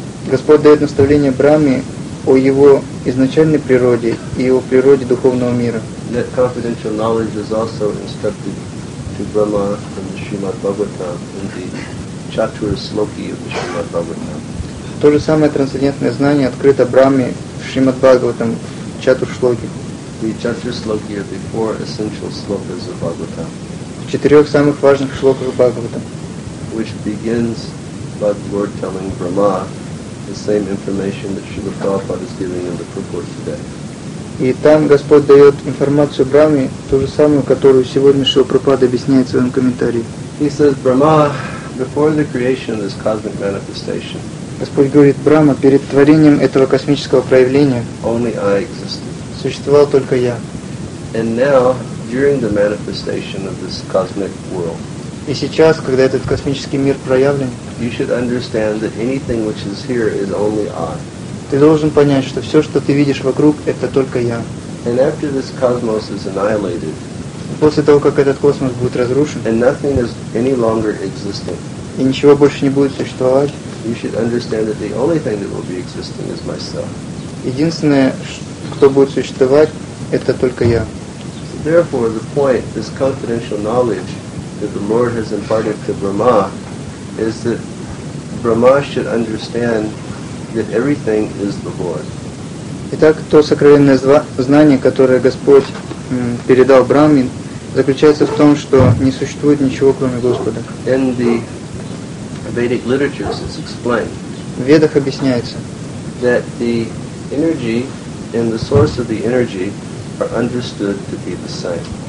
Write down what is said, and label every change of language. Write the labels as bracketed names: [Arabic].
[Russian] Господь дает наставление Брахме о его изначальной природе и о природе духовного мира. [English] That confidential knowledge is also instructed to Brahma from the Srimad Bhagavatam in the Chatur Sloki of the Srimad Bhagavatam. [Russian] То же самое трансцендентное знание открыто Брахме в Шримад Бхагаватам в Чатур Шлоке. [English] The Chatur Sloki are the 4 essential slokas of Bhagavatam. [Russian] 4 самых важных шлоках Бхагавата. [English] Which begins by the Lord telling Brahma the same information that Srila Prabhupada is giving in the purport today. [Russian] И там Господь дает информацию Брахме, ту же самую, которую сегодня Шрила Прабхупада объясняет в своем комментарии. [English] He says, Brahma, before the creation of this cosmic manifestation, [Russian] Господь говорит, Брахма, перед творением этого космического проявления [English] only I existed. [Russian] Существовал только я. [English] And now, during the manifestation of this cosmic world. [Russian] И сейчас, когда этот космический мир проявлен, [English] you should understand that anything which is here is only I. [Russian] Ты должен понять, что все, что ты видишь вокруг, это только я. [English] And after this cosmos is annihilated, [Russian] после того, как этот космос будет разрушен, [English] and nothing is any longer existing, [Russian] и ничего больше не будет существовать, [English] you should understand that the only thing that will be existing is myself. [Russian] Единственное, кто будет существовать, это только я. [English] Therefore, the point, this confidential knowledge that the Lord has imparted to Brahma, is that Brahma should understand that everything is the Lord. [Russian] Итак, то сокровенное знание, которое Господь передал Брахме, заключается в том, что не существует ничего кроме Господа. [English] In the Vedic literatures, it's explained. [Russian] В Ведах объясняется. [English] That the energy and the source of the energy are understood to be the same.